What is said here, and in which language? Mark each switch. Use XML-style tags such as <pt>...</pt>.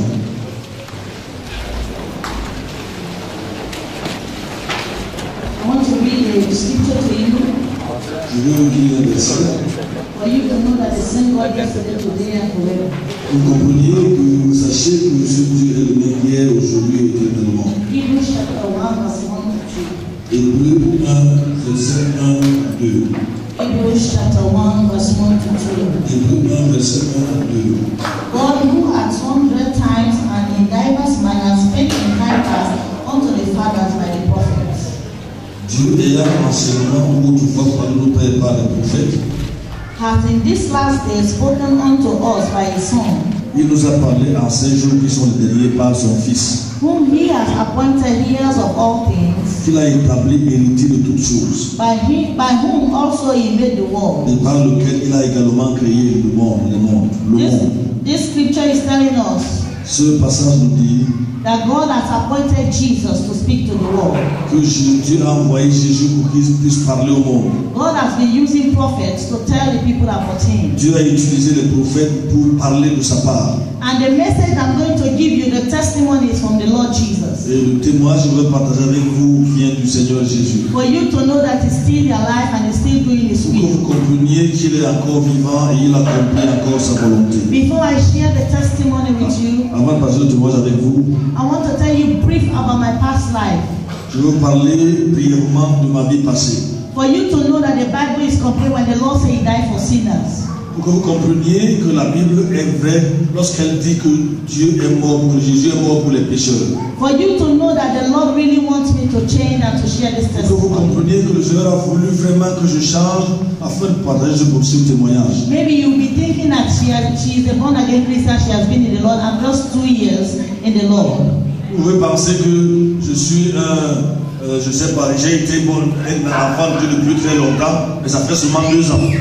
<en>I want to read a scripture to you. You will give me the song. For you to know that the same God yesterday, today, and forever.</en> <fr>Vous compreniez que vous sachiez que Monsieur Dieu est le même hier, aujourd'hui et éternellement. Hébreux 1, verset 1 à 2. Hébreux 1, verset 1 à 2.</fr> <en>God, who at sundry times and in diverse manners spake in time past unto the fathers by the prophets.</en> <fr>Dieu ayant enseignement autrefois par nos pères par les prophètes.</fr> <en>Hath in this last day spoken unto us by his son.</en> <fr>Il nous a parlé en ces jours qui sont déliés par son fils.</fr> <en>Whom he has appointed heirs of all things.</en> <fr>Qu'il a établi héritier de toutes choses.</fr> <en>By whom also he made the world.</en> <fr>Et par lequel il a également créé le monde.</fr> <en>This scripture is telling us.</en> <fr>Ce passage nous dit.</fr> <en>That God has appointed Jesus to speak to the world.</en> <fr>Que Dieu a envoyé Jésus pour qu'il puisse parler au monde.</fr> <en>God has been using prophets to tell the people about him.</en> <fr>Dieu a utilisé les prophètes pour parler de sa part.</fr> <en>And the message I'm going to give you, the testimony is from the Lord Jesus.</en> <fr>Et le témoignage que je vais partager avec vous vient du Seigneur Jésus.</fr> <en>For you to know that he's still alive and he's still doing his will.</en> <fr>Pour que vous compreniez qu'il est encore vivant et il accomplit encore sa volonté.</fr> <en>Before I share the testimony with you,</en> <fr>avant de partager le témoignage avec vous,</fr> <en>I want to tell you brief about my past life.</en> <fr>Je veux parler brièvement de ma vie passée.</fr> <en>For you to know that the Bible is complete when the Lord said he died for sinners.</en> <fr>Pour que vous compreniez que la Bible est vraie lorsqu'elle dit que Dieu est mort, que Jésus est mort pour les pécheurs.</fr> <en>For you to know that the Lord really wants me to change and to share this testimony.</en> <fr>Pour que vous compreniez que le Seigneur a voulu vraiment que je change afin de partager ce possible témoignage.</fr> <en>Maybe you'll be thinking that she is a born again Christian, she has been in the Lord and just 2 years in the Lord.</en> <fr>Vous pouvez penser que je suis un enfant que depuis très longtemps, mais ça fait seulement 2 ans.</fr>